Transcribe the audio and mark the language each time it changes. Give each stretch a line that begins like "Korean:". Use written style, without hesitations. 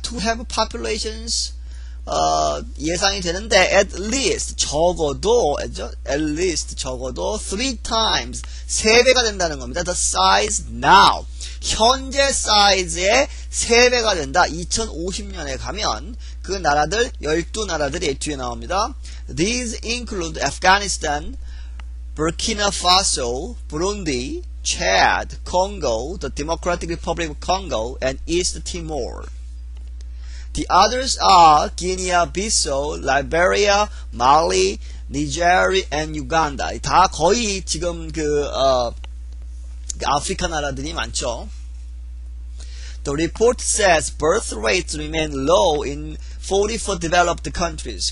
English: To have populations
Korean: 예상이 되는데
English: at least
Korean: 적어도
English: at least
Korean: 적어도
English: 3 times
Korean: 3배가 된다는 겁니다.
English: The size now.
Korean: 현재 사이즈의 3배가 된다. 2050년에 가면 그 나라들 12나라들이 뒤에 나옵니다.
English: These include Afghanistan, Burkina Faso, Burundi, Chad, Congo, the Democratic Republic of Congo, and East Timor. The others are Guinea-Bissau, Liberia, Mali, Niger, and Uganda.
Korean: 다 거의 지금 아프리카 나라들이 많죠.
English: The report says birth rates remain low in 44 developed countries.